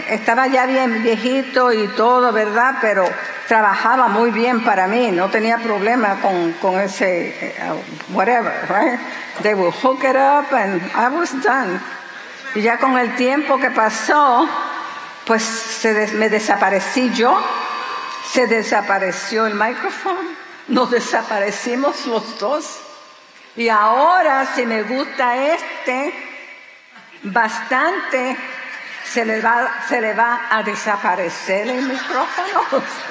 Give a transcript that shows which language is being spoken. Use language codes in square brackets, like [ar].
[es] Estaba ya bien viejito y todo, ¿verdad? Pero trabajaba muy bien para mí. No tenía problema con ese [en] whatever, right? They would hook it up and I was done. [es] Y ya con el tiempo que pasó, pues me desaparecí yo. Se desapareció el micrófono. Nos desaparecimos los dos. Y ahora, si me gusta este bastante, se le va a desaparecer el micrófono.